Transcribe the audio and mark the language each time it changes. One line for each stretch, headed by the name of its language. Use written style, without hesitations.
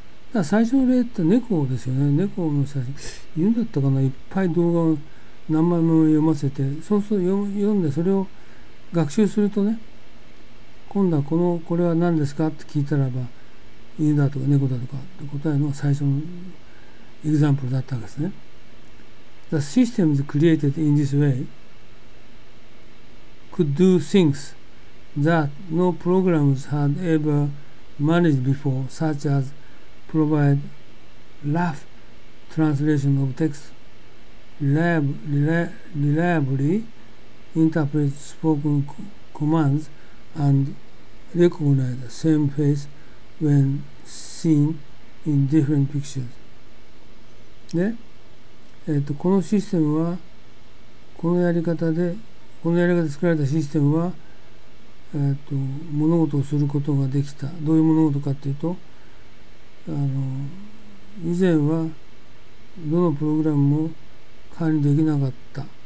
Japanese: だから最初の例って猫ですよね。猫の写真、犬だったかな、いっぱい動画を何枚も読ませて、そうすると読んでそれを学習するとね、今度はこのこれは何ですかって聞いたらば、犬だとか猫だとかって答えの最初のエグザンプルだったんですね。
English: The systems created in this way could do things that no programs had ever managed before, such as provide rough translation of text, reliably interpret spoken commands, and recognize the same face when seen in different pictures.
Japanese: で、このシステムは、このやり方で、このやり方で作られたシステムは、物事をすることができた。どういう物事かっていうと、以前は、どのプログラムも管理できなかった。